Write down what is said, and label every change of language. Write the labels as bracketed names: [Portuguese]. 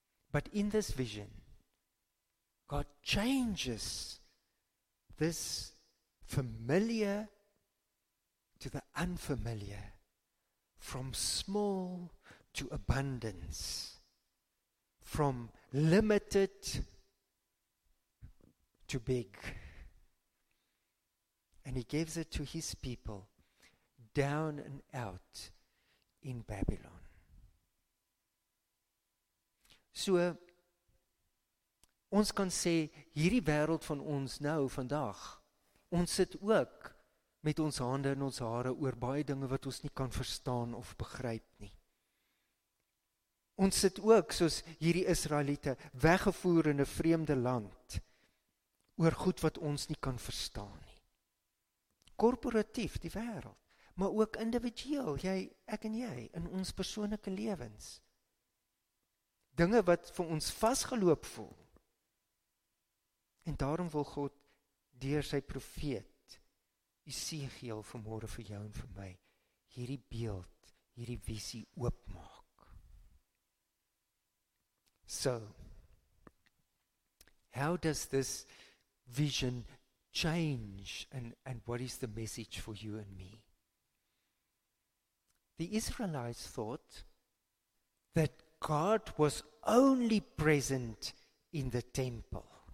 [English] But in this vision, God changes this familiar to the unfamiliar, from small to abundance, from limited to big. And he gives it to his people down and out in Babylon. [Afrikaans] So, ons kan sê, hierdie wêreld van ons nou, vandag, ons sit ook met ons hande en ons hare oor baie dinge wat ons nie kan verstaan of begryp nie. Ons sit ook, soos hierdie Israeliete, weggevoer in 'n vreemde land, oor goed wat ons nie kan verstaan nie. Korporatief, die wêreld, maar ook individueel, jy, ek en jy, in ons persoonlike lewens. Dinge wat vir ons vasgeloop voel. En daarom wil God, deur sy profeet, Ezekiel vanmôre vir jou en vir my, hierdie beeld, hierdie visie oopmaak. [English] So, how does this vision change and what is the message for you and me? The Israelites thought that God was only present in the temple.